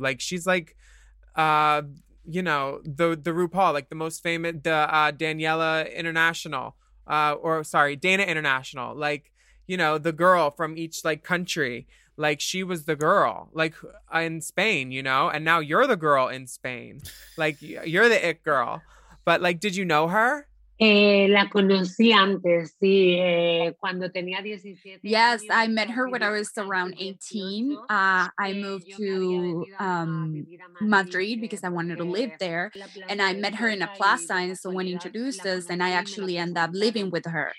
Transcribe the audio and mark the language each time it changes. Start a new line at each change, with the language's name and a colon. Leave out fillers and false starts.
English: Like, she's like, you know, the RuPaul, like the most famous, the Daniela International, Dana International. Like, you know, the girl from each, like, country. Like, she was the girl, like, in Spain, you know? And now you're the girl in Spain. Like, you're the it girl. But, like, did you know her?
Spanish: La conocí antes, sí, cuando tenía 17.
English: Yes, I met her when I was around 18. I moved to Madrid because I wanted to live there. And I met her in a plaza, and someone introduced us, and I actually ended up living with her.